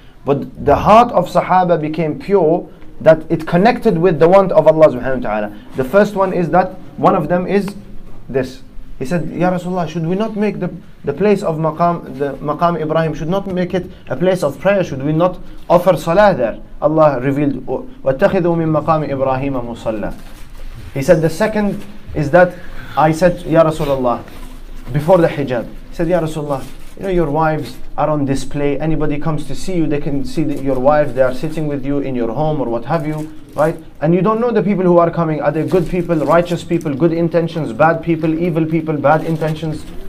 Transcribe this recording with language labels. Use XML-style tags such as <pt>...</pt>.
<en>But the heart of Sahaba became pure, that it connected with the want of Allah subhanahu wa ta'ala. The first one is that, one of them is this. He said, Ya Rasulullah, should we not make the place of Maqam, the Maqam Ibrahim, should not make it a place of prayer? Should we not offer salah there? Allah revealed,</en> <ar>وَاتَّخِذُوا مِن مَقَامِ إِبْرَاهِيمَ مُصَلَّى.</ar> <en>He said, the second is that I said, Ya Rasulullah, before the hijab, he said, Ya Rasulullah, you know your wives are on display. Anybody comes to see you, they can see that your wives, they are sitting with you in your home or what have you, right? And you don't know the people who are coming. Are they good people, righteous people, good intentions, bad people, evil people, bad intentions?</en>